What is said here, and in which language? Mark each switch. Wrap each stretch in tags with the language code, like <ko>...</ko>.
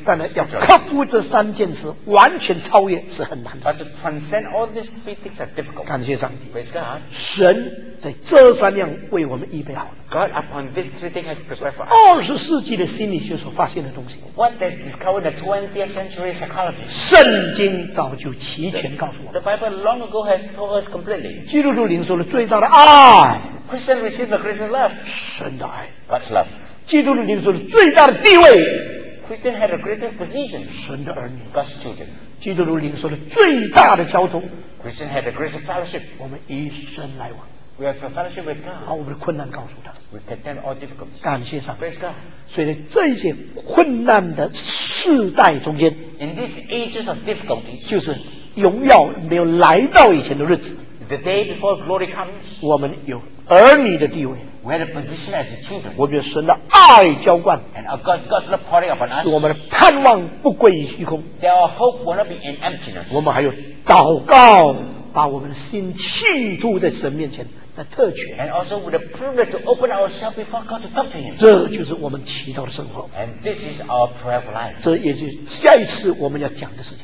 <zh>但要克服这三件事完全超越是很难的</zh> <en>But to transcend all these three things are difficult.</en> <zh>感谢上帝</zh> <en>Praise God.</en> <zh>神在这三样为我们预备好了</zh> <en>God upon these three things has prepared for us.</en> <zh>20世纪的心理学所发现的东西</zh> <en>What has discovered the 20th century psychology?</en> <zh>圣经早就齐全告诉我们</zh> <en>The Bible long ago has told us completely.</en> <zh>基督徒领受了最大的爱</zh> <en>Christian received the greatest love.</en> <zh>神的爱</zh> <en>God's love.</en> <zh>基督徒领受了最大的地位</zh> <en>Christian had the greatest position.</en> <zh>神的儿女</zh> <en>God's children.</en> <zh>基督徒领受了最大的交通</zh> <en>Christian had the greatest fellowship.</en> <zh>我们一生来往</zh> <en>We have a fellowship with God.</en> <zh>把我们的困难告诉他。</zh> <en>We contend all difficulties.</en> <zh>感谢上帝。</zh> <en>Praise God.</en> <zh>所以在这些困难的世代中间</zh> <en>，In these ages of difficulties，</en> <zh>就是荣耀没有来到以前的日子。</zh> <en>The day before glory comes，</en> <zh>我们有儿女的地位。</zh> <en>We have a position as children.</en> <zh>我们有神的爱浇灌。</zh> <en>And our God's love pouring upon us.</en> <zh>使我们的盼望不归于虚空。</zh> <en>That our hope will not be in emptiness.</en> <zh>我们还有祷告。把我们的心倾吐在神面前的特权。</zh> <en>And also with the privilege to open ourselves before God to talk to Him.</en> <zh>这就是我们祈祷的生活。</zh> <en>And this is our prayer for life.</en> <zh>这也就是下一次我们要讲的事情。</zh>